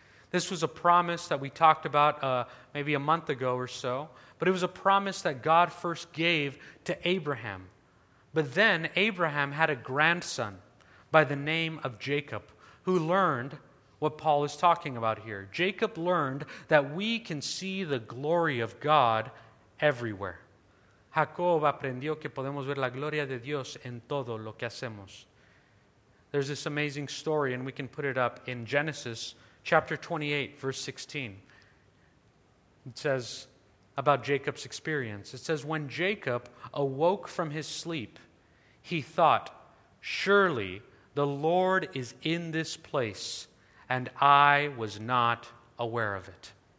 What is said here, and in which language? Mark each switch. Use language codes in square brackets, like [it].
[en] This was a promise that we talked about maybe a month ago or so, but it was a promise that God first gave to Abraham. But then Abraham had a grandson by the name of Jacob, who learned what Paul is talking about here. Jacob learned that we can see the glory of God everywhere. [es] Jacob aprendió que podemos ver la gloria de Dios en todo lo que hacemos. [en] There's this amazing story, and we can put it up in Genesis chapter 28, verse 16. It says about Jacob's experience. It says, "When Jacob awoke from his sleep, he thought, 'Surely the Lord is in this place, and I was not aware of it.'"